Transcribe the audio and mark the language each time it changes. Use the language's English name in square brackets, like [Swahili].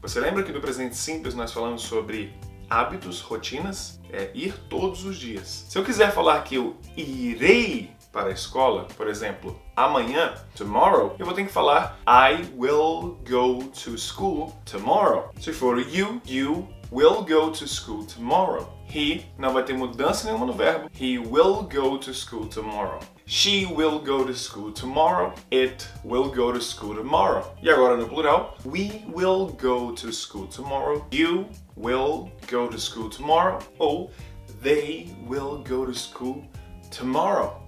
[Portuguese] Você lembra que no presente simples nós falamos sobre hábitos, rotinas? É ir todos os dias. Se eu quiser falar que eu irei para a escola, por exemplo, amanhã, tomorrow, eu vou ter que falar [English] I will go to school tomorrow. Se for you, you will go to school tomorrow. [Portuguese] He não vai ter mudança nenhuma no verbo. [English] He will go to school tomorrow. She will go to school tomorrow. It will go to school tomorrow. [Portuguese] E agora no plural. [English] We will go to school tomorrow. You will go to school tomorrow. Ou they will go to school tomorrow.